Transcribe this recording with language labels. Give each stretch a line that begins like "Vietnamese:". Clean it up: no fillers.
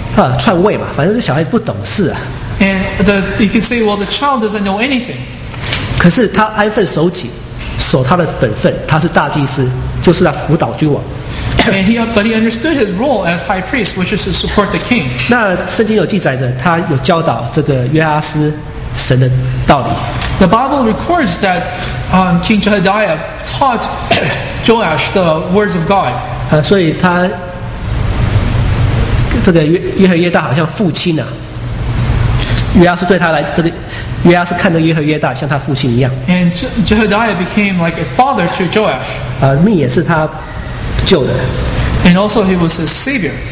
Chinese: 啊，篡位嘛，反正这小孩子不懂事啊。
English: And you can say, well, the child doesn't know anything.
Chinese: 可是他安分守己，守他的本分，他是大祭司，就是在辅导君王。
English: And he understood his role as high priest, which is to support the king.
Chinese: 那圣经有记载着，他有教导这个约阿斯神的道理。
English: The Bible records that King Jehadiah taught Joash the words of God.
Chinese: 所以他这个耶和耶大好像父亲啊，约阿斯对他来这个约阿斯看着耶和耶大像他父亲一样。
English: And Jehadiah became like a father to Joash.
Chinese: 命也是他。救的
English: ，and also he was his savior.